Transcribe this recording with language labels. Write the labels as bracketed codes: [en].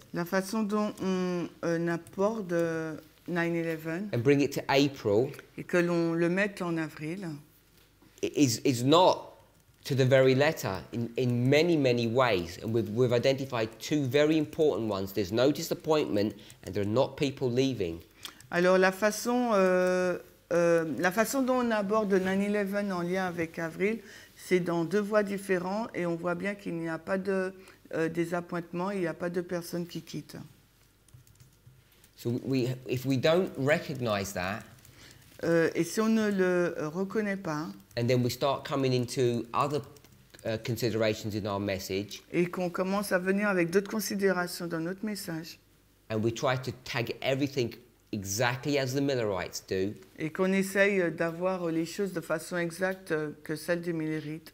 [fr] La façon dont on aborde 9/11. [en] And bring it to April. [fr] Et que l'on le mette en avril. [en] Is not to the very letter in many, many ways. And we've identified two very important ones. There's no disappointment, and there are not people leaving. [fr] Alors la façon dont on aborde 9/11 en lien avec avril, c'est dans deux voies différentes et on voit bien qu'il n'y a pas de désappointement, il n'y a pas de personnes qui quittent. [en] So if we don't recognize that, [fr] et si on ne le reconnaît pas, [en] and then we start coming into other considerations in our message, [fr] et qu'on commence à venir avec d'autres considérations dans notre message, [en] and we try to tag everything exactly as the Millerites do. [fr] Et qu'on essaye d'avoir les choses de façon exacte que celle des Millerites.